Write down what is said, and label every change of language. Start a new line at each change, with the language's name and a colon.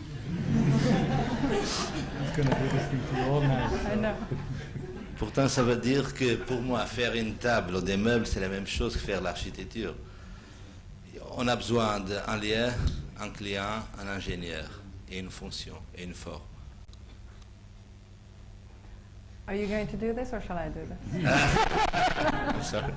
English: He's gonna do this thing to you all night, so. I know.
French: Pourtant, ça veut dire que pour moi, faire une table ou des meubles, c'est la même chose que faire l'architecture. On a besoin d'un lieu, un client, un ingénieur, et une fonction, et une forme.
English: Are you going to do this, or shall I do this?